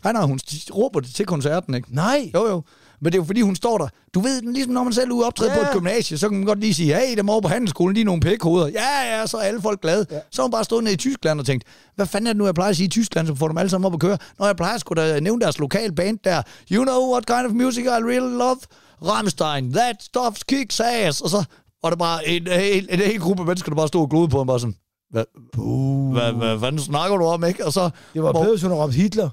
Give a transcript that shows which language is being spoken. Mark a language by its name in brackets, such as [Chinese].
[Danish] Nej, hun råber det til koncerten, ikke? Nej. Jo. Men det er jo fordi, hun står der. Du ved, ligesom når man selv er ude optræde på et gymnasie, så kan man godt lige sige, hey, dem over på handelsskolen, de er nogle pækhoveder. Ja, så er alle folk glade. Ja. Så har hun bare stået nede i Tyskland og tænkt, hvad fanden er det nu, jeg plejer at sige i Tyskland, så får dem alle sammen op at køre? Når jeg plejer at skulle da nævne deres lokale band der, [English] you know what kind of music I really love? Rammstein, that stuff kicks ass. [Danish] Og så var det bare en hel gruppe mennesker, der bare stod og glod på ham, bare sådan, Hvad fanden snakker du om, ikke? Og så, det var bedre, hvis hun havde råbt Hitler.